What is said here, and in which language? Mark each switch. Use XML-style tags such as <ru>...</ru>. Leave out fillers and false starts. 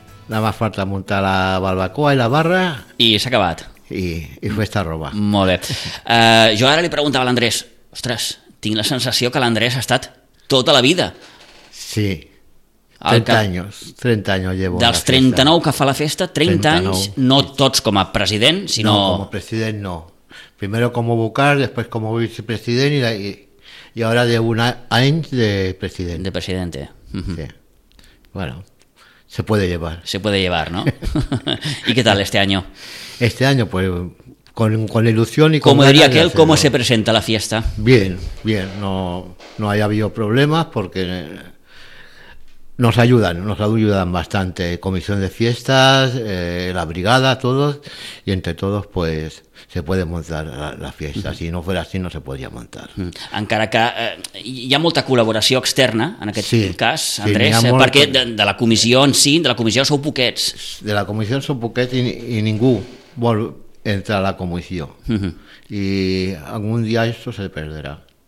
<es>Nada más falta muntar la barbacoa i la barra...</es> <ca>I s'ha acabat. I festa roba. Molt bé. Jo ara li preguntava a l'Andrés... Ostres, tinc la sensació que l'Andrés ha estat tota la vida. Sí. 30 anys</ca> <es>llevo.</es> <ca>Dels 39 que fa la festa, 30 anys, no tots com a president, sinó... No, com a president no.</ca> <es>Primero como vocal, después como vicepresident y... Y ahora de un año de presidente. De presidente. Sí. Bueno, se puede llevar. Se puede llevar, ¿no? ¿Y qué tal este año? Este año, pues, con ilusión y con... ¿Cómo diría aquel? ¿Cómo se presenta la fiesta? Bien, bien. No, no haya habido problemas porque nos ayudan bastante. Comisión de fiestas, la brigada, todos. Y entre todos, pues... se puede montar la fiesta. Si no fuera así, no se podía montar.</es> <ca>Encara que hi ha molta col·laboració externa, en aquest cas, Andrés, sí, perquè de la comissió en si, de la comissió sou poquets. De la comissió sou poquets i ningú vol entrar a la comissió. I algun dia això se perderà.</ca>